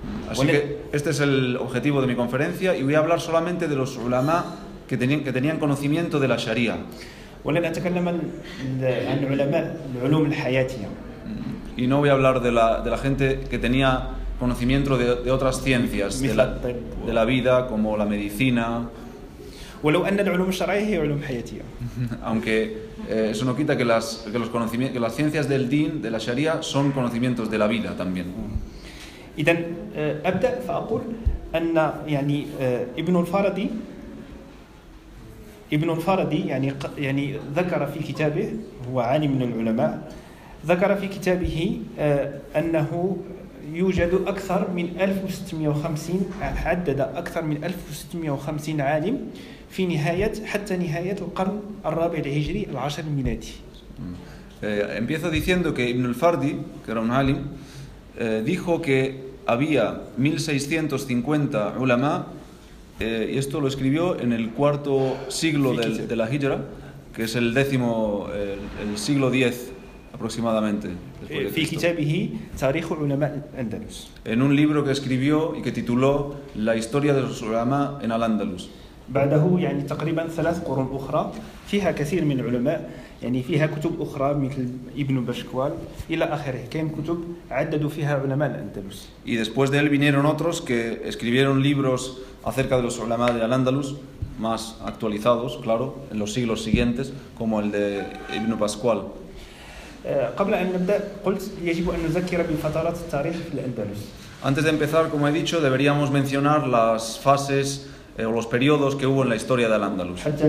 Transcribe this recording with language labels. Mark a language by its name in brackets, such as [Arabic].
[Spanish] Así que este es el objetivo de mi conferencia y voy a hablar solamente de los ulama que tenían conocimiento de la sharia. Y no voy a hablar de la gente que tenía conocimiento de otras ciencias, de la vida, como la medicina. [Arabic] ولو أن العلوم الشرعية هي علوم حياتية. [Spanish] Aunque eso no quita que los conocimientos, que las ciencias del din, de la sharia, son conocimientos de la vida también. [Arabic] إذن أبدأ فأقول أن يعني ابن الفارضي يعني ذكر في كتابه, هو عالم من العلماء, ذكر في كتابه أنه يوجد أكثر من 1650, عدد أكثر من 1650 عالم في نهاية حتى نهاية القرن الرابع الهجري العاشر الميلادي. [Spanish] Empiezo diciendo que Ibn al-Fardi, que era un alim, dijo que había 1650 ulama, y esto lo escribió en el cuarto siglo de la Hijra, que es el décimo, el siglo 10 aproximadamente. En un libro que escribió y que tituló La historia de los ulama en Al-Andalus. [Arabic] بعده يعني تقريبا ثلاث قرون أخرى فيها كثير من العلماء, يعني فيها كتب أخرى مثل ابن بشكوال إلى آخره, كان كتب عددوا فيها علماء الأندلس. [Spanish] Y después de él vinieron otros que escribieron libros acerca de los علماء de Al-Andalus más actualizados, claro, en los siglos siguientes, como el de ابن بشكوال. [Arabic] قبل أن نبدأ قلت يجب أن نذكر بفترات التاريخ في الأندلس. [Spanish] Antes de empezar, como he dicho, deberíamos mencionar las fases o los periodos que hubo en la historia de Al-Andalus.